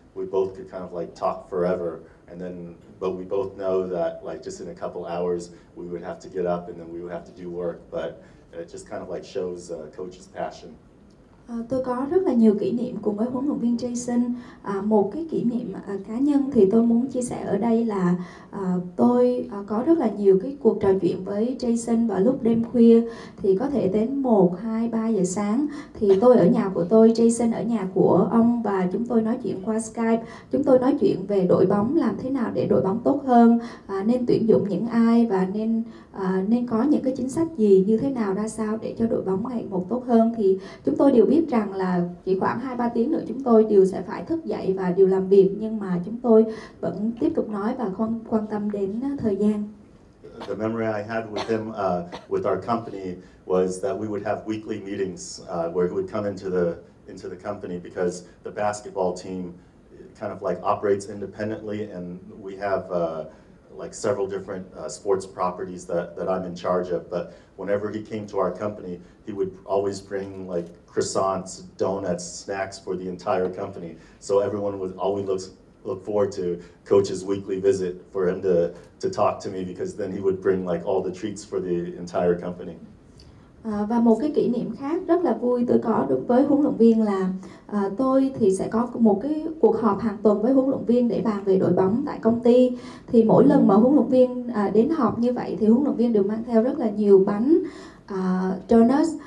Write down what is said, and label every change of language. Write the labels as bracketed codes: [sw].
[en] We both could kind of like talk forever, but we both know that like just in a couple hours we would have to get up and then we would have to do work, but it just kind of like shows coach's passion. [vi] Tôi có rất là nhiều kỷ niệm cùng với huấn luyện viên Jason. Một cái kỷ niệm cá nhân thì tôi muốn chia sẻ ở đây là tôi có rất là nhiều cái cuộc trò chuyện với Jason vào lúc đêm khuya, thì có thể đến 1, 2, 3 giờ sáng. Thì tôi ở nhà của tôi, Jason ở nhà của ông, và chúng tôi nói chuyện qua Skype. Chúng tôi nói chuyện về đội bóng, làm thế nào để đội bóng tốt hơn, nên tuyển dụng những ai và nên có những cái chính sách gì như thế nào ra sao để cho đội bóng ngày một tốt hơn. Thì chúng tôi đều biết rằng là chỉ khoảng 2-3 tiếng nữa chúng tôi đều sẽ phải thức dậy và đều làm việc, nhưng mà chúng tôi vẫn tiếp tục nói và quan tâm đến thời gian. [en] The memory I had with him with our company was that we would have weekly meetings where he would come into the company, because the basketball team kind of like operates independently, and we have like several different sports properties that I'm in charge of. But whenever he came to our company, he would always bring like croissants, donuts, snacks for the entire company. So everyone would always look forward to coach's weekly visit for him to talk to me, because then he would bring like all the treats for the entire company. [vi] Và một cái kỷ niệm khác rất là vui tôi có được với huấn luyện viên là tôi thì sẽ có một cái cuộc họp hàng tuần với huấn luyện viên để bàn về đội bóng tại công ty. Thì mỗi lần mà huấn luyện viên đến họp như vậy thì huấn luyện viên đều mang theo rất là nhiều bánh donuts.